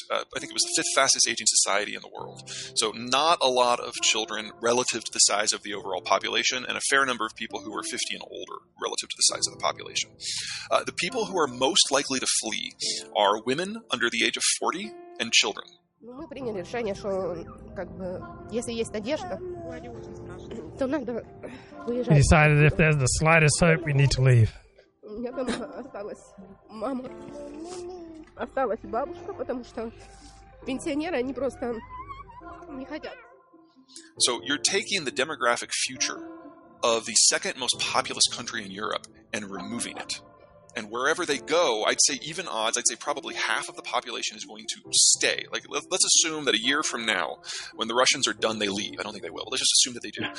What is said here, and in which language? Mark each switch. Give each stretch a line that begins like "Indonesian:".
English: I think it was the fifth fastest aging society in the world. So not a lot of children relative to the size of the overall population, and a fair number of people who were 50 and older relative to the size of the population. The people who are most likely to flee are women under the age of 40 and children.
Russian: Мы приняли решение, что как бы если есть надежда, то надо выезжать.
English: We decided if there's the slightest hope, we need to leave.
Russian: Я там осталась мама. Осталась бабушка, потому что пенсионеры, они просто не хотят.
English: So you're taking the demographic future of the second most populous country in Europe and removing it. And wherever they go, I'd say even odds, I'd say probably half of the population is going to stay. Like, let's assume that a year from now, when the Russians are done, they leave. I don't think they will, but let's just assume that they do.